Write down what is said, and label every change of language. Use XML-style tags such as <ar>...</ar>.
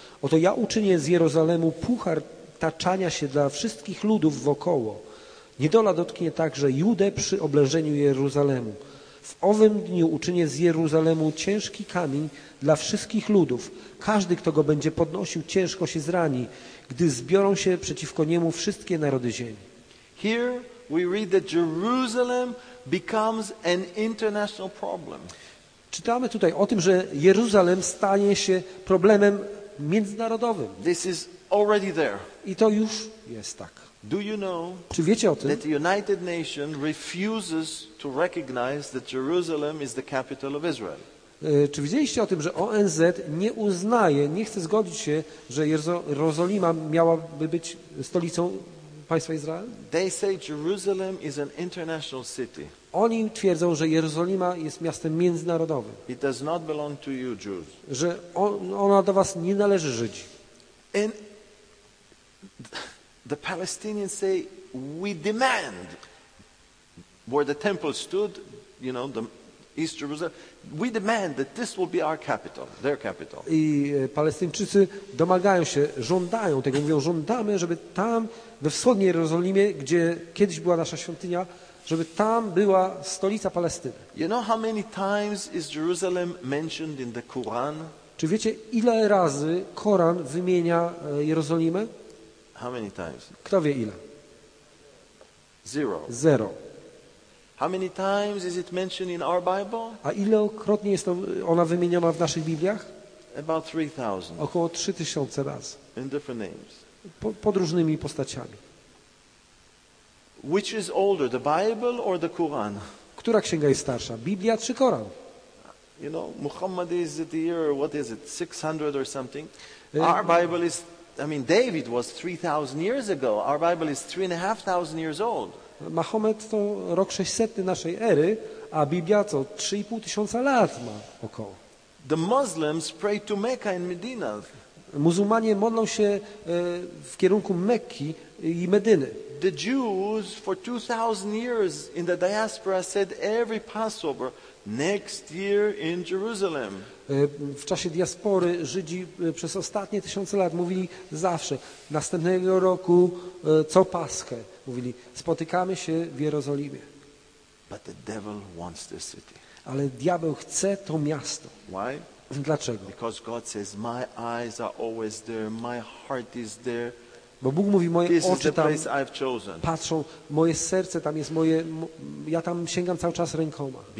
<pl>Oto ja uczynię z Jerozolimu puchar taczania się dla wszystkich ludów wokoło. Niedola dotknie także Judę przy oblężeniu Jeruzalemu. W owym dniu uczynię z Jeruzalemu ciężki kamień dla wszystkich ludów. Każdy, kto go będzie podnosił, ciężko się zrani, gdy zbiorą się przeciwko niemu wszystkie narody ziemi.</pl> <en>Here we read that Jerusalem becomes an international problem.</en> <pl>Czytamy tutaj o tym, że Jeruzalem stanie się problemem międzynarodowym.</pl> <en>This is already there.</en> <pl>I to już jest tak.</pl> <en>Do you know,</en> <pl>czy wiecie o tym,</pl> <en>that the United Nations refuses to recognize that Jerusalem is the capital of Israel?</en> <pl>Czy widzieliście o tym, że ONZ nie uznaje, nie chce zgodzić się, że Jerozolima miałaby być stolicą państwa Izrael?</pl> <en>They say Jerusalem is an international city.</en> <pl>Oni twierdzą, że Jerozolima jest miastem międzynarodowym.</pl> <en>It does not belong to you, Jews.</en> <pl>Że ona do was nie należy, Żydzi.</pl> <en>And the Palestinians say we demand where the temple stood, you know, the East Jerusalem. We demand that this will be our capital, their capital.</en> <pl>I Palestyńczycy domagają się, żądają tego, mówią, żądamy, żeby tam we wschodniej Jerozolimie, gdzie kiedyś była nasza świątynia, żeby tam była stolica Palestyny.</pl> <en>You know how many times is Jerusalem mentioned in the Quran?</en> <pl>Czy wiecie, ile razy Koran wymienia Jerozolimę?</pl> <en>How many times?</en> <pl>Kto wie ile?</pl> <en>Zero.</en> <pl>Zero.</pl> <en>How many times is it mentioned in our Bible?</en> <pl>A ilekrotnie jest ona wymieniona w naszych Bibliach?</pl> <en>About 3,000.</en> <pl>Około 3,000 razy.</pl> <en>In different names.</en> <pl>Pod różnymi postaciami.</pl> <en>Which is older, the Bible or the Quran?</en> <pl>Która księga jest starsza, Biblia czy Koran?</pl> <en>You know, Muhammad is at the year, what is it, 600 or something. Our Bible is, I mean, David was 3,000 years ago. Our Bible is 3,500 years old.</en> <pl>Mahomet to rok 600 naszej ery, a Biblia co 3,500 lat ma około.</pl> <en>The Muslims pray to Mecca and Medina.</en> <pl>Muzułmanie modlą się w kierunku Mekki i Medyny.</pl> <en>The Jews for 2,000 years in the diaspora said every Passover next year in Jerusalem.</en> <pl>W czasie diaspory Żydzi przez ostatnie tysiące lat mówili zawsze, następnego roku co Paschę mówili, spotykamy się w Jerozolimie.</pl> <en>But the devil wants this city.</en> <pl>Ale diabeł chce to miasto.</pl> <en>Why?</en> <pl>Dlaczego?</pl> <en>Because God says my eyes are always there, my heart is there.</en> <pl>Bo Bóg mówi, moje oczy tam patrzą, moje serce tam jest, moje, ja tam sięgam cały czas rękoma.</pl>